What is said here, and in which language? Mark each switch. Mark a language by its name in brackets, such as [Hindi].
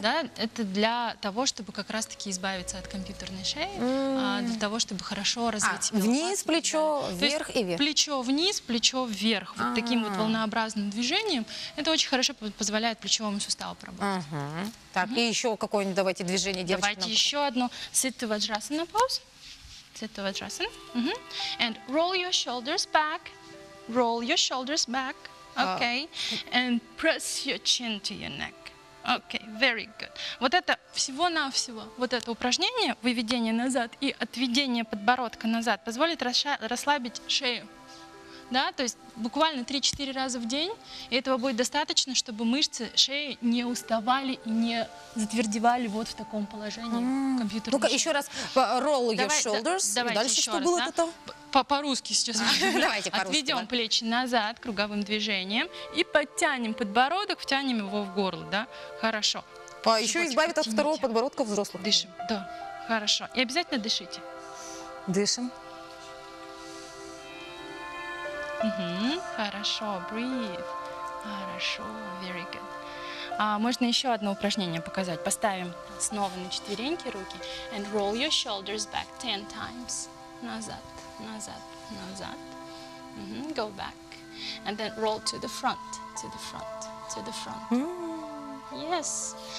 [Russian] Да, это для того, чтобы как раз-таки избавиться от компьютерной шеи, для того, чтобы хорошо развить белок. Вниз, плечо, вверх и вверх. Плечо вниз, плечо вверх. Вот таким вот волнообразным движением. Это очень хорошо позволяет плечевому суставу поработать. Так, и еще какое-нибудь давайте движение, девочки. Давайте еще одно. [English] Sit to Vajrasana pose. Sit to Vajrasana. And roll your shoulders back. Roll your shoulders back. Okay. And press your chin to your neck. Окей, very good. [Russian] Вот это всего-навсего, вот это упражнение, выведение назад и отведение подбородка назад позволит расслабить шею. Да, то есть буквально 3-4 раза в день, и этого будет достаточно, чтобы мышцы шеи не уставали и не затвердевали вот в таком положении компьютерной шеи. Ну-ка, еще раз, [English] roll your shoulders, [Russian] давай, и дальше что раз, было, да? Это? По-русски сейчас. Давайте по-русски. Отведем плечи назад круговым движением и подтянем подбородок, втянем его в горло, да, хорошо. А еще избавит от второго подбородка взрослых. Дышим, да, хорошо. И обязательно дышите. Дышим. Хорошо, [English] breathe. [Russian] Хорошо, [English] very good. [Russian] Можно еще одно упражнение показать. Поставим снова на четвереньки руки. [English] And roll your shoulders back 10 times. [Russian] Назад, назад, назад. [English] Go back. And then roll to the front, to the front, to the front. Yes.